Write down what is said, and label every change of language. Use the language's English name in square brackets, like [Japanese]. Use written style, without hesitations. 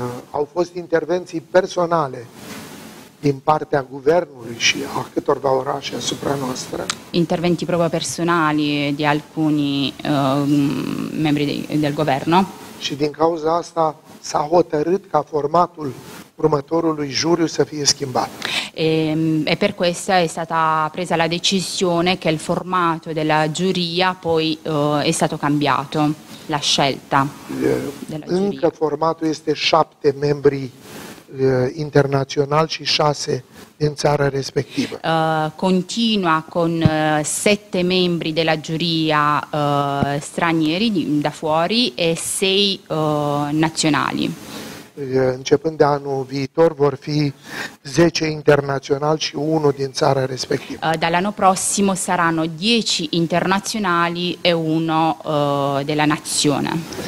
[Romanian] Au fost intervenții personale din partea guvernului și a câtorva orașe asupra noastră. [Italian] Interventi proprio personali di alcuni membri del governo. [Romanian] Și din cauza asta s-a hotărât ca formatul următorului juriu să fie schimbat. [Italian] E per questo è stata presa la decisione che il formato della giuria poi è stato cambiato, la scelta della giuria. [Romanian] Încă formatul este 7 membri internațional și 6 din țara respectivă. [Italian] Continua con 7 membri della giuria stranieri da fuori e 6 naționali. [Romanian] Începând de anul viitor vor fi 10 internaționali și 1 din țara respectivă. [Italian] Dall'anno prossimo saranno 10 internaționali e 1 della nazione.